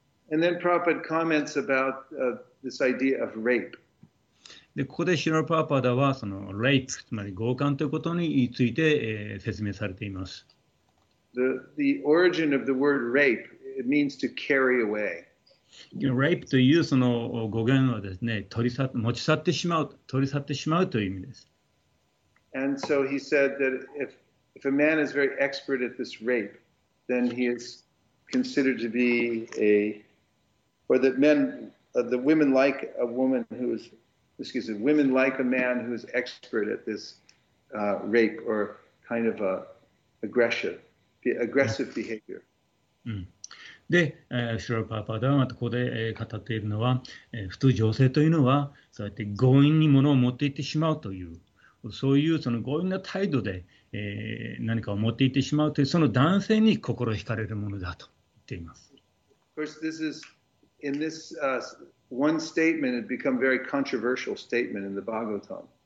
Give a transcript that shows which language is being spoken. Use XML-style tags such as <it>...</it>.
<en>And then Prabhupada comments about this idea of rape.</en> <ja>で、ここでシュラ・プラパダはそのレイプ、つまり強姦ということについて、説明されています。</ja> <en>The origin of the word rape, it means to carry away.</en> <ja>Rape というその語源はですね、持ち去ってしまうという意味です。</ja> <en>And so he said that if a man is very expert at this rape, then he is considered to be or that men, the women like a woman who is excuse me, women like a man who is expert at this rape or kind of aggressive behavior.</en> <ja>で、シュラル・パーパーダはまたここで語っているのは、普通女性というのはそうやって強引に物を持っていってしまうというそういうその強引な態度で、何かを持っていってしまうというその男性に心を惹かれるものだと言っています。</ja> <en>Of course, this is in this one statement, it became a very controversial statement in the Bhagavatam.</en>